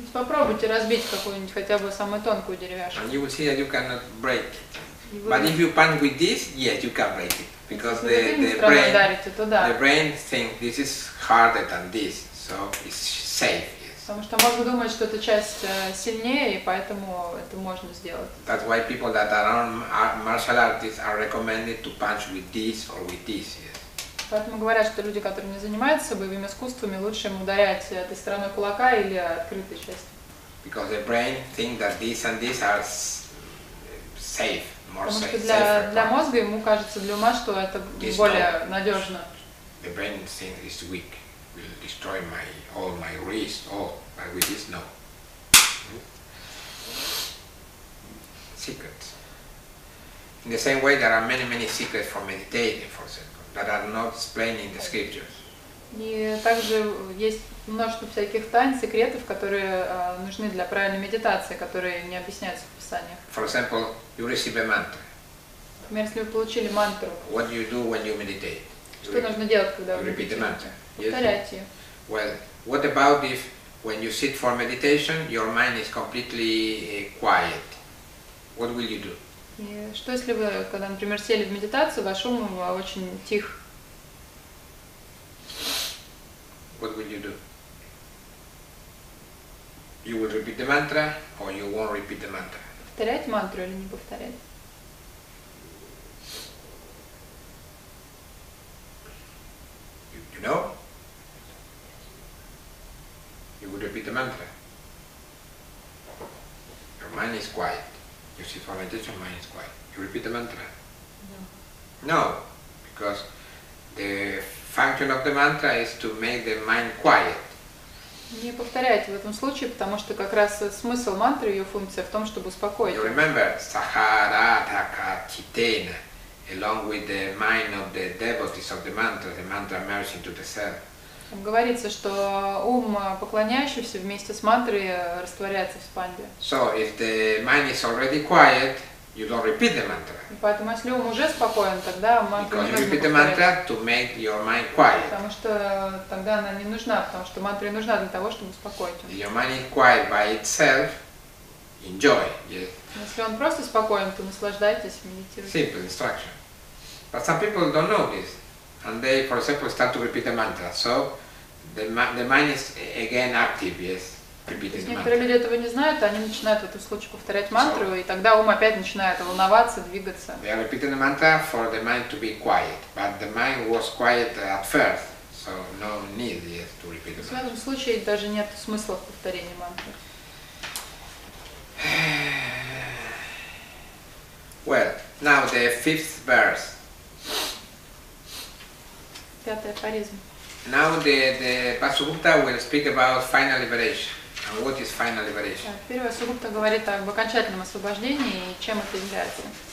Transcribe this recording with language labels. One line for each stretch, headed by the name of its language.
Russian: Попробуйте разбить какую-нибудь хотя бы самую тонкую деревяшку.
English: And you will see that you cannot break it. But if you punch with this, yes, you can break it, because the brain thinks this is harder than this, so it's safe. Yes.
Russian: Потому что мозг думает, что эта часть сильнее, и поэтому это можно сделать.
English: That's why people that are martial artists are recommended to punch with this or with this. Yes.
Russian: Поэтому говорят, что люди, которые не занимаются боевыми искусствами, лучше им ударять этой стороной кулака или открытой частью.
English: Because the brain thinks that this and this are safe.
Russian: Потому что для мозга ему кажется, для ума, что это
English: this
Russian: более note, надежно.
English: The brain thinks it's weak, will destroy my all my wrist, all. But with this, no. Secrets. In the same way, there are many secrets for meditating, for example, that are not explained in the scriptures.
Russian: И также есть множество всяких тайн, секретов, которые нужны для правильной медитации, которые не объясняются в писаниях.
English: For example, you receive a mantra.
Russian: Например, если вы получили мантру.
English: What do you do when you meditate?
Russian: Что нужно делать, когда вы
English: repeat the mantra.
Russian: Повторяйте.
English: Well, what about if when you sit for meditation, your mind is completely quiet? What will you do?
Russian: И что если вы, когда, например, сели в медитацию, ваш ум очень тих?
English: What will you do? You will repeat the mantra, or you won't repeat the mantra?
Russian: Повторять мантру или не повторять?
English: You know? You will repeat the mantra. Your mind is quiet. You see, for meditation, mind is quiet. You repeat the mantra? No. No, because the function of the mantra is to make the mind quiet.
Russian: Не повторяйте в этом случае, потому что как раз смысл мантры, ее функция в том, чтобы успокоить.
English: You remember, Saharataka Chitena, along with the mind of the devotees of the mantra merges into the self.
Russian: Там говорится, что ум поклоняющийся вместе с мантрой растворяется в спанде.
English: So, if the mind is already quiet, you don't repeat the mantra.
Russian: Поэтому, если ум уже спокоен, тогда мантру
English: Because
Russian: не нужно
English: repeat the mantra to make your mind quiet.
Russian: Потому что тогда она не нужна, потому что мантра нужна для того, чтобы успокоить ум.
English: Your mind is quiet by itself, enjoy. Yes.
Russian: Если он просто спокоен, то наслаждайтесь, медитируйте.
English: Simple instruction. But some people don't know this. And they, for example, start to repeat the mantra. So the mind is again active, yes, repeating the mantra.
Russian: Некоторые люди этого не знают, они начинают в эту случку повторять мантру, и тогда ум опять начинает волноваться, двигаться.
English: They are repeating the mantra for the mind to be quiet, but the mind was quiet at first, so no need, yes, to repeat the mantra.
Russian: В этом случае даже нет смысла в повторении мантры.
English: Well, now the fifth verse. Now the Vasugupta will speak about final liberation. And what is final liberation?
Russian: Первая Сугупта говорит об окончательном освобождении и чем это является.